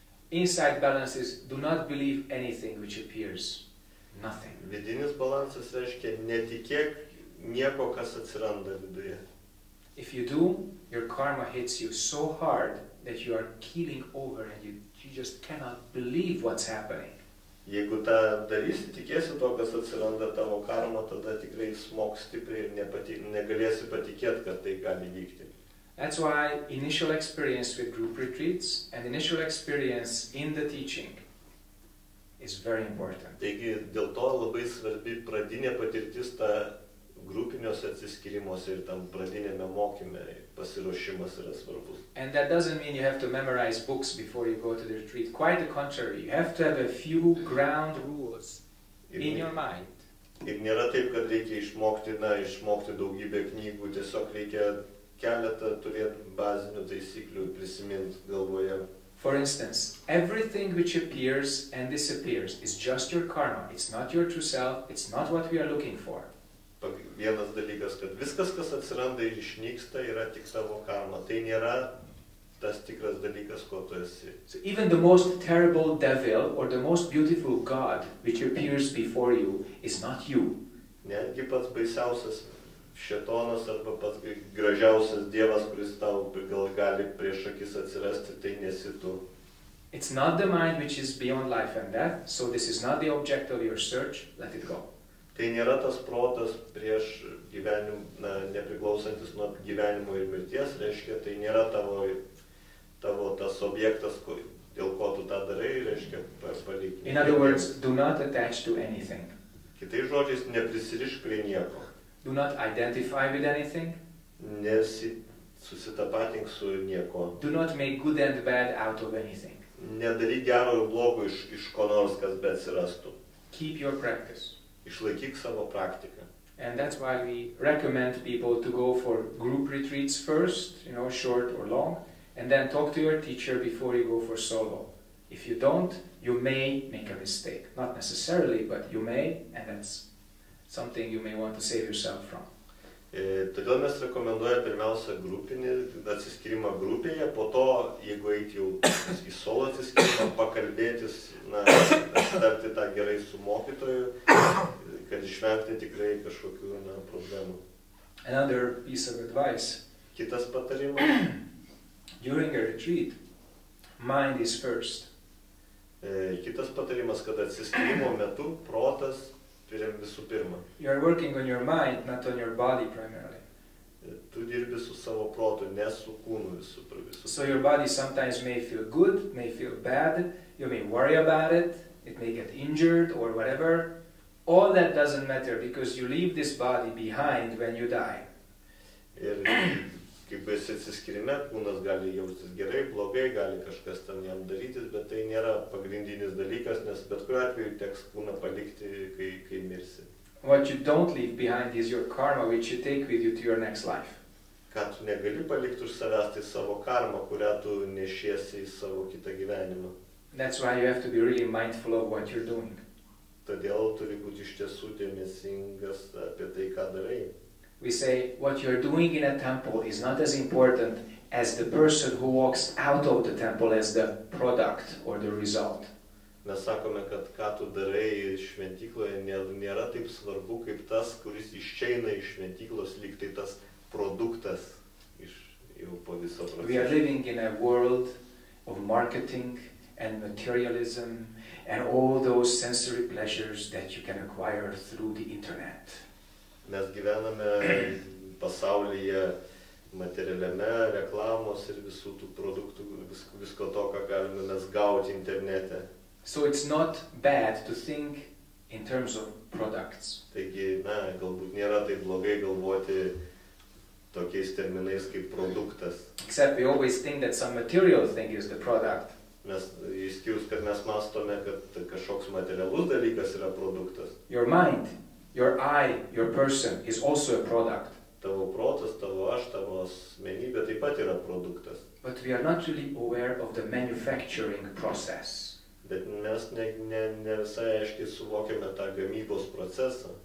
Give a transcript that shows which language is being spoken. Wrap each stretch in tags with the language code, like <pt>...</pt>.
<en>Inside balance is do not believe anything which appears. Nothing.</en> <lt>Vidinis balansas reiškia netikėk nieko, kas atsiranda viduje.</lt> <en>If you do, your karma hits you so hard that you are keeling over and you just cannot believe what's happening.</en> <lt>Jeigu tą darysi, tikėsi to, kas atsiranda tavo karma, tada tikrai smoks stipriai ir negalėsi patikėti, kad tai gali vykti.</lt> <en>That's why initial experience with group retreats and initial experience in the teaching is very important.</en> <lt>Taigi dėl to labai svarbi pradinė patirtis ta grupiniuose atsiskyrimuose ir tam pradinėme mokyme pasiruošimas yra svarbus.</lt> <en>And that doesn't mean you have to memorize books before you go to the retreat. Quite the contrary, you have to have a few ground rules in your mind.</en> <lt>Ir nėra taip, kad reikia išmokti daugybę knygų, tiesiog reikia keletą turėti bazinių taisyklių prisiminti galvoje.</lt> <en>For instance, everything which appears and disappears is just your karma. It's not your true self, it's not what we are looking for.</en> <lt>Vienas dalykas, kad viskas, kas atsiranda ir išnyksta, yra tik savo karma. Tai nėra tas tikras dalykas, ko tu esi.</lt> <en>So even the most terrible devil or the most beautiful god which appears before you is not you.</en> <lt>Netgi pats baisiausias šetonas arba pats gražiausias dievas, kuris tau gali prieš akis atsirasti, tai nesi tu.</lt> <en>It's not the mind which is beyond life and death, so this is not the object of your search, let it go.</en> <lt>Tai nėra tas protas prieš gyvenimą, nepriklausantis nuo gyvenimo ir mirties, reiškia, tai nėra tavo tas objektas, dėl ko tu tą darai, reiškia, palikti.</lt> <en>In other words, do not attach to anything.</en> <lt>Kitais žodžiais, neprisirišk prie nieko.</lt> <en>Do not identify with anything.</en> <lt>Nesusitapatink su nieko.</lt> <en>Do not make good and bad out of anything.</en> <lt>Nedaryk gero ir blogo iš ko nors, kas be atsirastų.</lt> <en>Keep your practice.</en> <lt>Išlaikyk savo praktiką.</lt> <en>And that's why we recommend people to go for group retreats first, short or long, and then talk to your teacher before you go for solo. If you don't, you may make a mistake. Not necessarily, but you may, and that's something you may want to save yourself from.</en> <lt>Todėl mes rekomenduoja pirmiausia grupinį atsiskyrimą grupėje, po to, jeigu eiti jau į solo atsiskyrimą, pakalbėtis, aptarti tą gerai su mokytoju, kad išvengti tikrai kažkokių problemų.</lt> <en>Another piece of advice.</en> <lt>Kitas patarimas.</lt> <en>During a retreat, mind is first.</en> <lt>Kitas patarimas, kad atsiskyrimo metu protas turim visų pirma.</lt> <en>You are working on your mind, not on your body primarily.</en> <lt>Tu dirbi su savo protu, ne su kūnu visų pirma.</lt> <en>So your body sometimes may feel good, may feel bad, you may worry about it, it may get injured or whatever. All that doesn't matter because you leave this body behind when you die.</en> <lt>Ir kaip esi atsiskirime, kūnas gali jaustis gerai, blogai, gali kažkas ten jam darytis, bet tai nėra pagrindinis dalykas, nes bet kuriuo atveju teks kūną palikti, kai mirsi.</lt> <en>What you don't leave behind is your karma, which you take with you to your next life.</en> <lt>Ką tu negali palikti už savęs, tai savo karma, kurią tu nešiesi į savo kitą gyvenimą.</lt> <en>That's why you have to be really mindful of what you're doing.</en> <lt>Todėl turi būti iš tiesų dėmesingas apie tai, ką darai.</lt> <en>We say, what you're doing in a temple is not as important as the person who walks out of the temple as the product or the result.</en> <lt>Mes sakome, kad ką tu darai šventykloje nėra taip svarbu, kaip tas, kuris išeina iš šventyklos, lyg tai tas produktas iš jau po viso proceso.</lt> <en>We are living in a world of marketing and materialism and all those sensory pleasures that you can acquire through the internet.</en> <lt>Mes gyvename pasaulyje materialiame, reklamos ir visų tų produktų, visko to, ką galime mes gauti internete.</lt> <en>So it's not bad to think in terms of products.</en> <lt>Taigi, na, galbūt nėra taip blogai galvoti tokiais terminais kaip produktas.</lt> <en>Except we always think that some material thing is the product.</en> <lt>Mes išskyrus, kad mes mastome, kad kažkoks materialus dalykas yra produktas.</lt> <en>Your mind, your eye, your person is also a product.</en> <lt>Tavo protas, tavo aš, tavo asmenybė taip pat yra produktas.</lt> <en>But we are not really aware of the manufacturing process.</en> <lt>Bet mes ne visai aiškiai suvokiame tą gamybos procesą.</lt>